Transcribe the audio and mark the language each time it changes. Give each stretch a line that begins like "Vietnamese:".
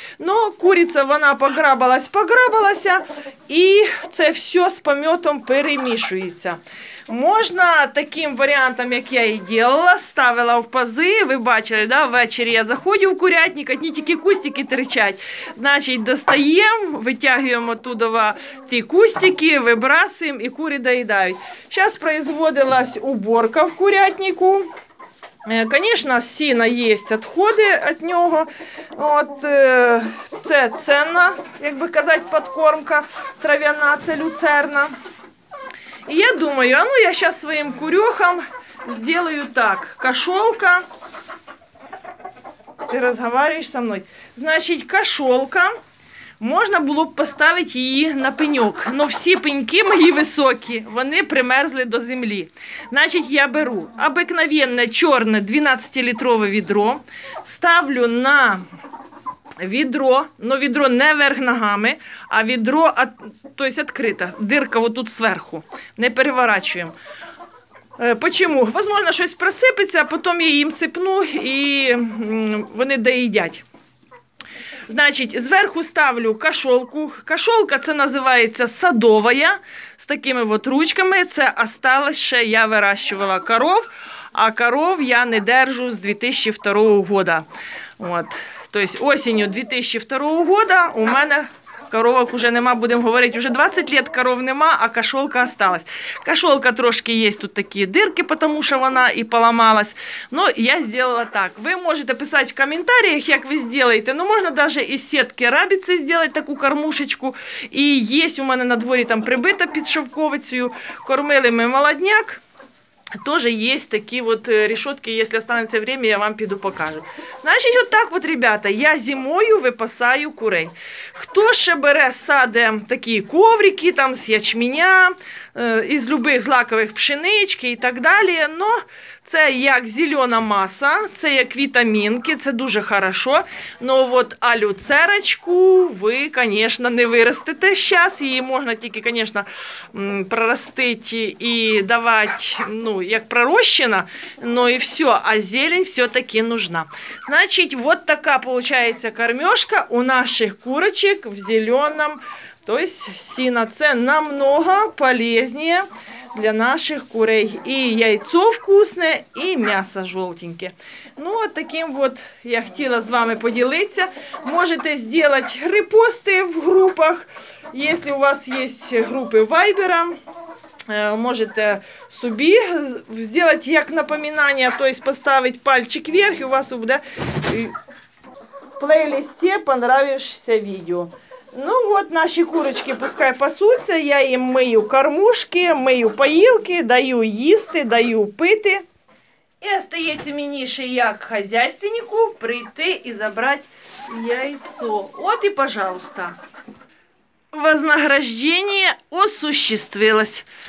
Ukrainian: Ну, куриця, вона пограбалася, і це все з пам'ятом перемішується. Можна таким варіантом, як я і діла, ставила в пази, ви бачили, да, ввечері я заходжу в курятник, одні тільки кустики тирчать. Значить, достаємо, витягуємо оттуда ті кустики, вибрасуємо і кури доїдають. Зараз производилась уборка в курятнику. Звісно, сіна є, відходи від нього. От, це ценна, як би казати, підкормка трав'яна, це люцерна. І я думаю, а ну я зараз своїм курьохам зроблю так. Кошолка. Ти розмовляєш зі мною. Значить, кошолка. Можна було б поставити її на пеньок, але всі пеньки мої високі, вони примерзли до землі. Значить, я беру обикновенне чорне 12-літрове відро, ставлю на відро, але відро не вверх ногами, а відро, тобто відкрите, дірка отут зверху, не переворачуємо. Чому? Можливо, щось просипеться, а потім я їм сипну і вони доїдять. Значить, зверху ставлю кошолку. Кошолка це називається садовая, з такими от ручками. Це осталось ще, я вирощувала коров, а коров я не держу з 2002 року. От. Тобто осінню 2002 року у мене коровок уже нема, будемо говорити, уже 20 років коров нема, а кошолка осталась. Кошолка трошки є, тут такі дірки, тому що вона і поламалась. Ну, я зробила так. Ви можете писати в коментарях, як ви зробите. Ну, можна навіть із сітки рабіці зробити таку кормушечку. І є у мене на дворі там прибита під шовковицею. Кормили ми молодняк. Теж є такі от рішотки, якщо станеться час, я вам піду покажу. Значить, отак от, ребята, я зимою випасаю курей. Хто ще бере, саде такі коврики там з ячменя, із любих злакових пшенички і так далі, но це як зелена маса, це як вітамінки, це дуже хорошо, но от алюцерочку ви, звісно, не виростите зараз, її можна тільки, звісно, проростити і давати, ну, як пророщена, ну і все, а зелень все-таки нужна. Значить, от така виходить кормежка у наших курочек в зеленом. Тобто сіна – це намного полезніше для наших курей. І яйцо вкусне, і м'ясо жовтеньке. Ну, от таким от я хотіла з вами поділитися. Можете зробити репости в групах, якщо у вас є групи Вайбера. Можете собі зробити як напоминання, тобто поставити пальчик вверх, і у вас буде в плейлисті «Понравившися відео». Ну от, наші курочки пускай пасуться, я їм мию кормушки, мию поїлки, даю їсти, даю пити. І остається мені ще як хазяйственнику прийти і забрати яйцо. От і, пожалуйста.
Russian: Вознаграждение осуществилось.